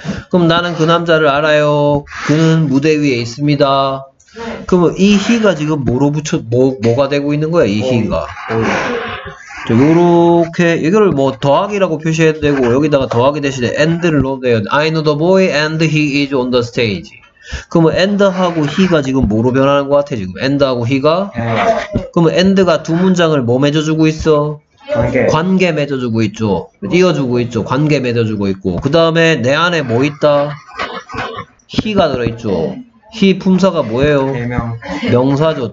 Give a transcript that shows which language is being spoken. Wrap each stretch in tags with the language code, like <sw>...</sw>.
<ko>그럼 나는 그 남자를 알아요. 그는 무대 위에 있습니다. 그럼 이 he가 지금 뭐로 붙여 뭐가 되고 있는 거야? 이 he가. 요렇게 이거를 뭐 더하기라고 표시해도 되고 여기다가 더하기 대신에 and를 넣어도 돼요.</ko> <en>I know the boy and he is on the stage.</en> <ko>그럼 and하고 he가 지금 뭐로 변하는 것 같아 지금? and하고 he가? 그럼 and가 두 문장을 뭐 맺어주고 있어? 관계 맺어주고 있죠. 이어주고 있죠. 관계 맺어주고 있고 그 다음에 내 안에 뭐 있다? he가 들어있죠. he 품사가 뭐예요? 명사죠.</ko>